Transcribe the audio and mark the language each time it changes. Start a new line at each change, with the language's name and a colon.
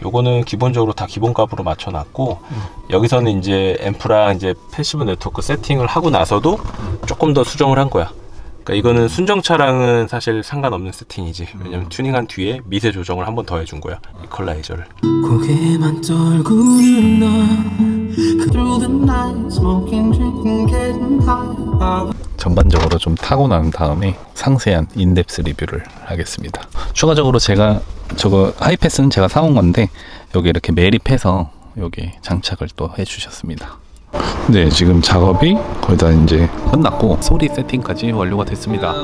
Korean: 요거는 기본적으로 다 기본값으로 맞춰놨고, 여기서는 이제 앰프랑 이제 패시브 네트워크 세팅을 하고 나서도 조금 더 수정을 한 거야. 그러니까 이거는 순정차랑은 사실 상관없는 세팅이지. 왜냐면 튜닝한 뒤에 미세 조정을 한 번 더 해준 거야. 이퀄라이저를. 고개만 떨구는 너
English: Through the night smoking drinking getting high.
Korean: 전반적으로 좀 타고난 다음에 상세한 인뎁스 리뷰를 하겠습니다. 추가적으로 제가 저거 하이패스는 제가 사온 건데 여기 이렇게 매립해서 여기 장착을 또 해주셨습니다. 네, 지금 작업이 거의 다 이제 끝났고 소리 세팅까지 완료가 됐습니다.